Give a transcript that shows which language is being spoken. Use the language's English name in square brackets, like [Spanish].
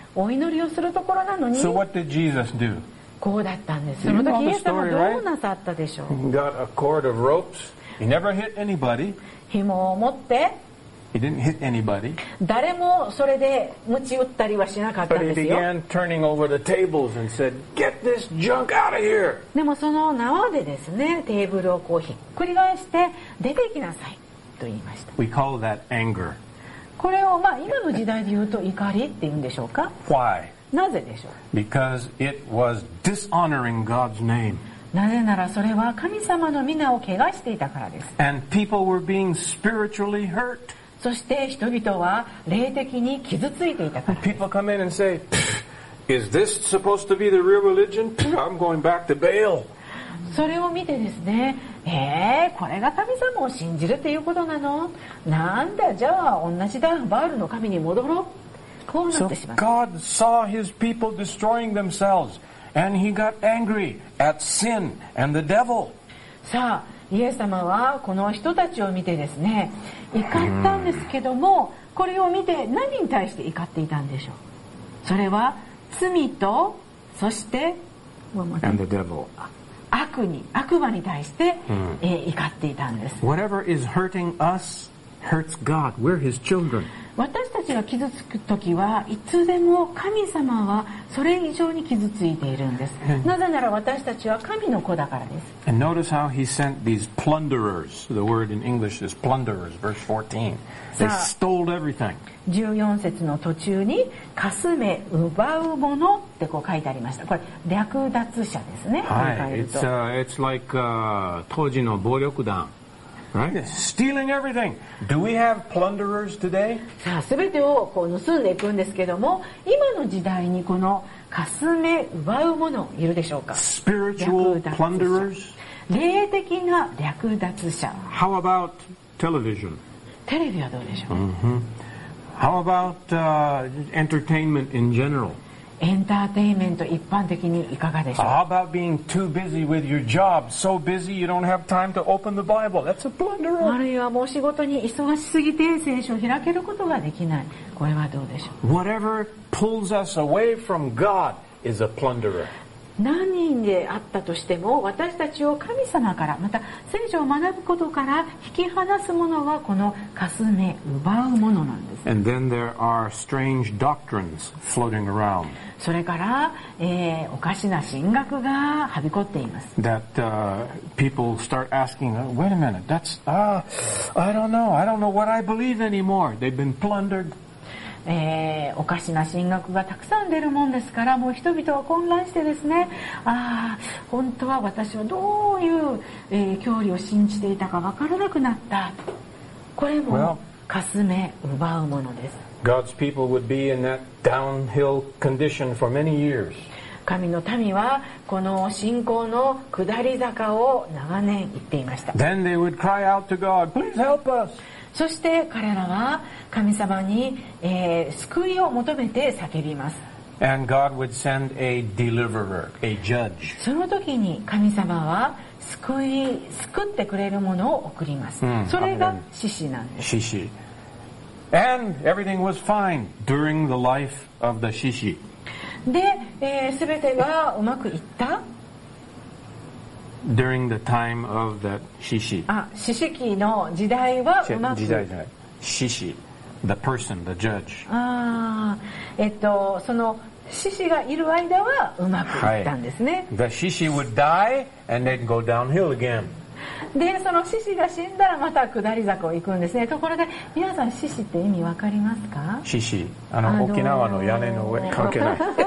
[Japanese] お祈りをするところなのに。 [English] So what did Jesus do? [Japanese] こうだったんです。その時イエス様はどうなさったでしょう。 [English] He got a cord of ropes. He never hit anybody. [Japanese] 紐を持って。 [English] He didn't hit anybody. [Japanese] 誰もそれで鞭打ったりはしなかったんですよ。 [English] But he began turning over the tables and said, "Get this junk out of here!" [Japanese] でもその縄でですね、テーブルをこうひっくり返して出て行きなさいと言いました。 [English] We call that anger. [Japanese] これを、まあ、今の時代で言うと怒りって言うんでしょうか。 [English] Why? [Japanese] なぜでしょう。 [English] Because it was dishonoring God's name. [Japanese] なぜならそれは神様の名を汚していたからです。 [English] And people were being spiritually hurt. [Japanese] そして人々は霊的に傷ついていたからです。 [English] People come in and say, is this supposed to be the real religion? I'm going back to Baal. [Japanese] それを見てですね、これが神様を信じるということなの、なんだ、じゃあ同じだ、バールの神に戻ろう、こうなってしまう。 [English] So God saw his people destroying themselves and he got angry at sin and the devil. [Japanese] さあイエス様はこの人たちを見てですね、怒ったんですけども、これを見て何に対して怒っていたんでしょう。それは罪と、そして [English] and the devil、 [Japanese] 悪に、悪魔に対して、怒っていたんです。 [English] Whatever is hurting us hurts God. We're His children. [Japanese] 私たちが傷つくときはいつでも神様はそれ以上に傷ついているんです。なぜなら私たちは神の子だからです。 [English] And notice how He sent these plunderers. The word in English is plunderers, verse 14. They stole everything. [Japanese] 14節の途中に、かすめ、奪うものってこう書いてありました。これ、略奪者ですね。はい。 [English] It's like, [Japanese] 当時の暴力団。 [English] Right? Stealing everything. Do we have plunderers today? [Japanese] さあ、すべてをこう盗んでいくんですけども、今の時代にこのかすめ、奪うものいるでしょうか。 [English] Spiritual plunderers? [Japanese] 霊的な略奪者。 [English] How about television? [Japanese] テレビはどうでしょう。 Mm-hmm. [English] How about, entertainment in general? [Japanese] エンターテインメント一般的にいかがでしょう。 [English] How about being too busy with your job? So busy you don't have time to open the Bible. That's a blunderer. [Japanese] あるいはもう仕事に忙しすぎて聖書を開けることができない。これはどうでしょう。 [English] Whatever pulls us away from God is a plunderer. [Japanese] 何人であったとしても私たちを神様から、また聖書を学ぶことから引き離すものはこのかすめ、奪うものなんです。 [English] And then there are strange doctrines floating around. [Japanese] それから、おかしな神学がはびこっています。 [English] That, people start asking, wait a minute, that's, I don't know what I believe anymore. They've been plundered. [Japanese] おかしな神学がたくさん出るもんですから、もう人々は混乱してですね、本当は私はどういう、教理を信じていたかわからなくなった。これも、 well, かすめ奪うものです。 [English] God's people would be in that downhill condition for many years. [Japanese] 神の民はこの信仰の下り坂を長年行っていました。 [English] Then they would cry out to God, please help us. [Japanese] そして彼らは神様に、救いを求めて叫びます。 [English] And God would send a deliverer, a judge. [Japanese] その時に神様は救ってくれるものを送ります。それが獅子なんです。獅子。 [English] And everything was fine during the life of the 獅子。 [Japanese] で、全てがうまくいった。 [English] During the time of the Shishi. [Japanese] Ah, Shishiki の時代はうまく。時代じゃない。Shishi, [English] the person, the judge. [Japanese] Ah, その Shishi がいる間はうまくいったんですね。 [English] The Shishi would die and then go downhill again. [Japanese] でその獅子が死んだらまた下り坂を行くんですね。ところで皆さん獅子って意味わかりますか？獅子、沖縄の屋根の上関係ない。